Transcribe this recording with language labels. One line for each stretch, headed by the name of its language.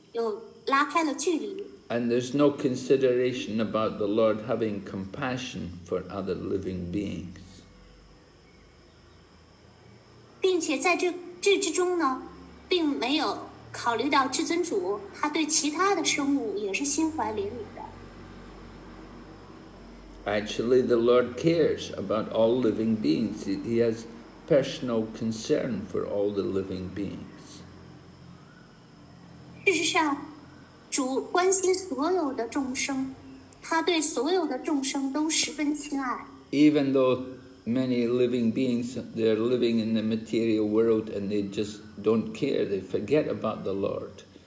Chinese: 当人举行献祭的时候，神就和奉献者之间呢，又拉开了距离。
English: And there's no consideration about the Lord having compassion for other living beings.
Chinese: 并且在这之中呢，并没有考虑到至尊主他对其他的生物也是心怀怜悯的。
English: Actually, the Lord cares about all living beings. He has personal concern for all the living beings.
Chinese: 事实上，主关心所有的众生，他对所有的众生都十分亲爱。
English: Even though many living beings, they're living in the material world and they just don't care, they forget about the Lord.